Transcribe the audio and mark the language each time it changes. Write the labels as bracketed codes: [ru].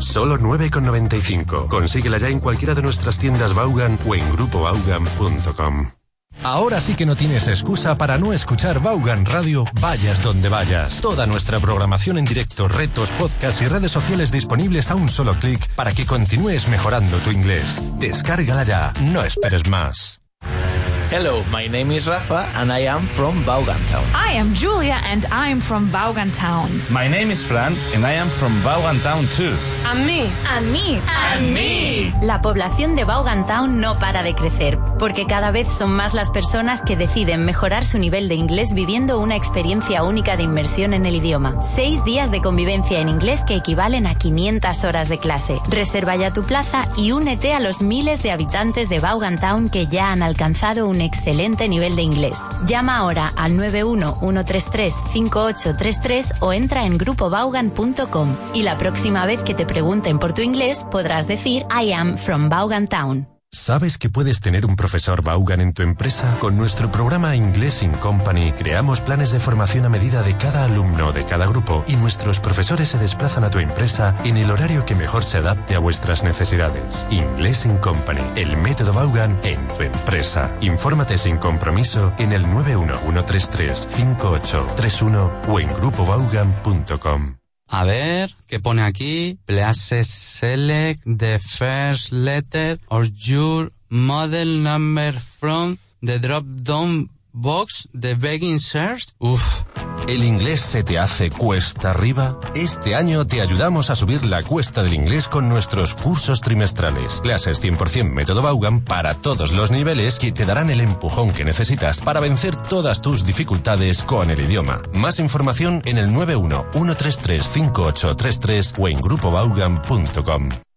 [es] Solo 9,95. Consíguela ya en cualquiera de nuestras tiendas Vaughan o en grupovaughan.com. Ahora sí que no tienes excusa para no escuchar Vaughan Radio, vayas donde vayas. Toda nuestra programación en directo, retos, podcasts y redes sociales disponibles a un solo clic para que continúes mejorando tu inglés. Descárgala ya, no esperes más. [en] Hello, my name is Rafa and I am from Baugantown. I am Julia and I am from Baugantown. My name is Fran and I am from Baugantown too. And me. And me. And me. [es] La población de Baugantown no para de crecer, porque cada vez son más las personas que deciden mejorar su nivel de inglés viviendo una experiencia única de inmersión en el idioma. 6 días de convivencia en inglés que equivalen a 500 horas de clase. Reserva ya tu plaza y únete a los miles de habitantes de Baugantown que ya han alcanzado un excelente nivel de inglés. Llama ahora al 91-133-5833 o entra en grupobaugan.com y la próxima vez que te pregunten por tu inglés podrás decir [en] I am from Baugantown. [es] ¿Sabes que puedes tener un profesor Vaughan en tu empresa? Con nuestro programa Inglés in Company creamos planes de formación a medida de cada alumno de cada grupo y nuestros profesores se desplazan a tu empresa en el horario que mejor se adapte a vuestras necesidades. Inglés in Company, el método Vaughan en tu empresa. Infórmate sin compromiso en el 91-133-5831 o en grupovaughan.com. A ver, ¿qué pone aquí? [en] Please select the first letter of your model number from the drop-down box, the begin search. Uf. [es] ¿El inglés se te hace cuesta arriba? Este año te ayudamos a subir la cuesta del inglés con nuestros cursos trimestrales. Clases 100% método Vaughan para todos los niveles que te darán el empujón que necesitas para vencer todas tus dificultades con el idioma. Más información en el 91-133-5833 o en grupovaughan.com.